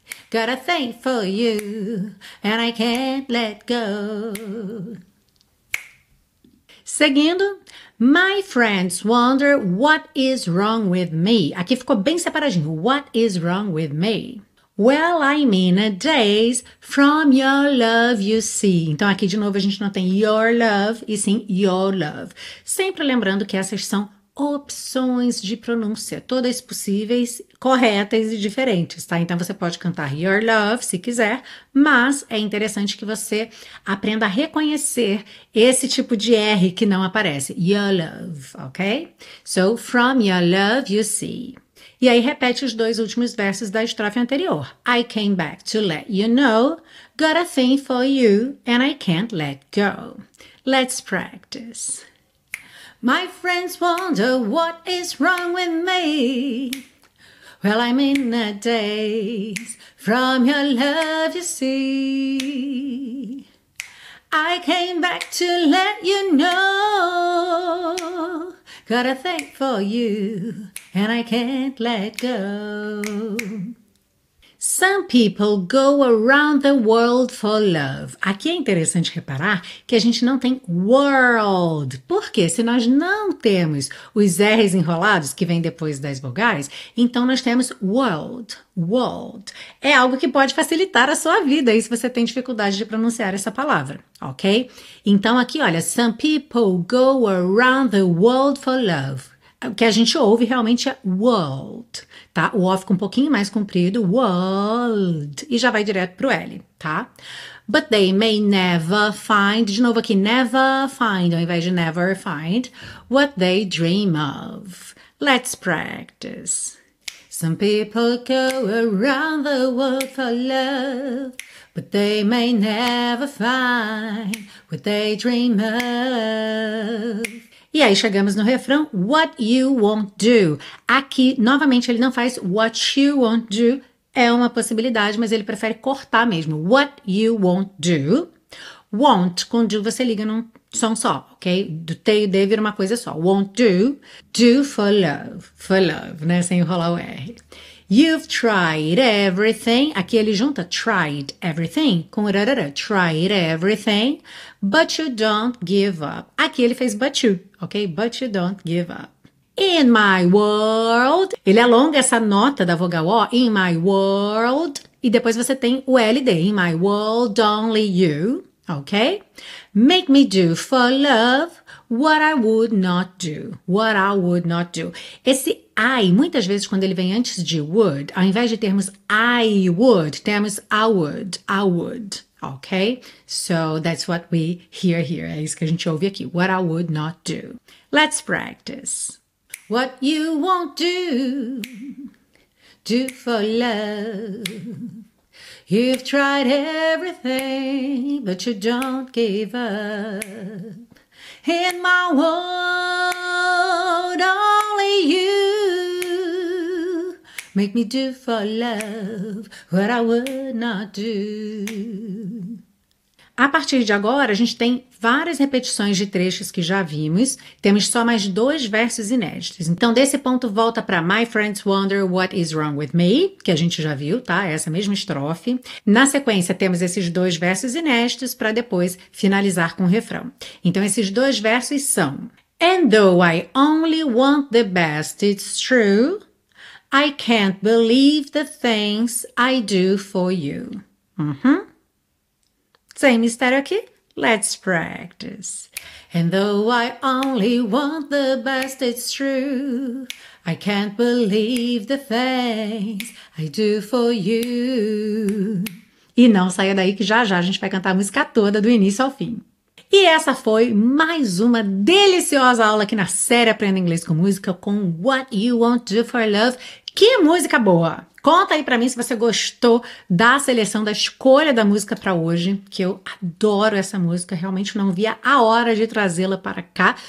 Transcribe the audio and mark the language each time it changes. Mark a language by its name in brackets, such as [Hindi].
[English] Got a thing for you, and I can't let go. Seguindo, my friends wonder what is wrong with me. [Portuguese] Aqui ficou bem separadinho, [English] what is wrong with me? Well, I'm in a daze from your love, you see. [Portuguese] Então, aqui de novo, a gente não tem [English] your love, [Portuguese] e sim your love. Sempre lembrando que essas são opções de pronúncia, todas possíveis, corretas e diferentes, tá? Então, você pode cantar [English] your love, [Portuguese] se quiser, mas é interessante que você aprenda a reconhecer esse tipo de R que não aparece. [English] Your love, ok? So, from your love, you see. [Portuguese] E aí, repete os dois últimos versos da estrofe anterior. [English] I came back to let you know, got a thing for you, and I can't let go. Let's practice. My friends wonder what is wrong with me. Well, I'm in a daze from your love, you see. I came back to let you know, got a thing for you, and I can't let go. Some people go around the world for love. [Portuguese] Aqui é interessante reparar que a gente não tem world. Por quê? Se nós não temos os R's enrolados, que vem depois das vogais, então nós temos world. World. É algo que pode facilitar a sua vida aí se você tem dificuldade de pronunciar essa palavra, ok? Então aqui, olha, [English] some people go around the world for love. [Portuguese] O que a gente ouve realmente é world, tá? O O fica um pouquinho mais comprido, world, e já vai direto pro L, tá? [English] But they may never find, [Portuguese] de novo aqui, [English] never find, [Portuguese] ao invés de [English] never find, what they dream of. Let's practice. Some people go around the world for love, but they may never find what they dream of. [Portuguese] E aí chegamos no refrão, [English] what you won't do. [Portuguese] Aqui, novamente, ele não faz [English] what you won't do, [Portuguese] é uma possibilidade, mas ele prefere cortar mesmo. [English] What you won't do. Won't, [Portuguese] com do você liga num som só, ok? Do T e D vira uma coisa só. [English] Won't do, do for love, [Portuguese] né? Sem enrolar o R. [English] You've tried everything. [Portuguese] Aqui ele junta [English] tried everything [Portuguese] com rarara. [English] Tried everything, but you don't give up. [Portuguese] Aqui ele fez [English] but you, ok? But you don't give up. In my world. [Portuguese] Ele alonga essa nota da vogal O. [English] In my world. [Portuguese] E depois você tem o LD. [English] In my world, only you, ok? Make me do for love what I would not do. What I would not do. [Portuguese] Esse I, muitas vezes quando ele vem antes de would, ao invés de termos [English] I would, [Portuguese] temos I would, ok? [English] So, that's what we hear here, [Portuguese] é isso que a gente ouve aqui, [English] what I would not do. Let's practice. What you won't do, do for love. You've tried everything, but you don't give up. In my world, only you. Make me do for love what I would not do. [Portuguese] A partir de agora, a gente tem várias repetições de trechos que já vimos. Temos só mais dois versos inéditos. Então, desse ponto, volta para [English] My Friends Wonder What Is Wrong With Me, [Portuguese] que a gente já viu, tá? Essa mesma estrofe. Na sequência, temos esses dois versos inéditos para depois finalizar com o refrão. Então, esses dois versos são: [English] And though I only want the best, it's true, I can't believe the things I do for you. Uh-huh. Same [Portuguese] mistério aqui. [English] Let's practice. And though I only want the best, it's true. I can't believe the things I do for you. [Portuguese] E não saia daí que já já a gente vai cantar a música toda do início ao fim. E essa foi mais uma deliciosa aula aqui na série Aprenda Inglês com Música com What You Won't Do For Love. Que música boa! Conta aí pra mim se você gostou da seleção, da escolha da música pra hoje, que eu adoro essa música, realmente não via a hora de trazê-la para cá.